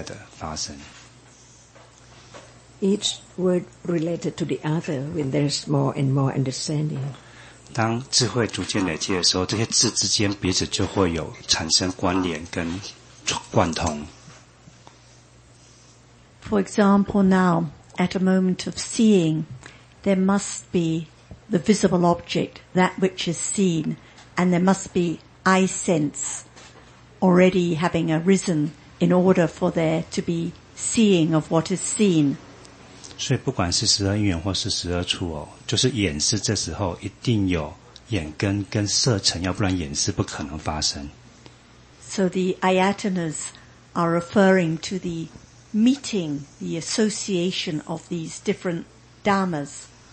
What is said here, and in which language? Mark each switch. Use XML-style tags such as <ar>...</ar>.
<zh>对，那除了知道这个名字之外呢，我们想更进一步知道这个实相现在的发生。</zh> <en>Each word related to the other when there's more and more understanding.</en> <zh>当智慧逐渐累积的时候，这些字之间彼此就会有产生关联跟贯通。</zh> <en>For example, now at a moment of seeing, there must be the visible object, that which is seen, and there must be eye sense already having arisen in order for there to be seeing of what is seen.</en> <zh>所以不管是十二因缘或是十二处哦，就是眼识这时候一定有眼根跟色尘，要不然眼识不可能发生。</zh> <en>So the ayatanas are referring to the meeting, the association of these different dhammas.</en>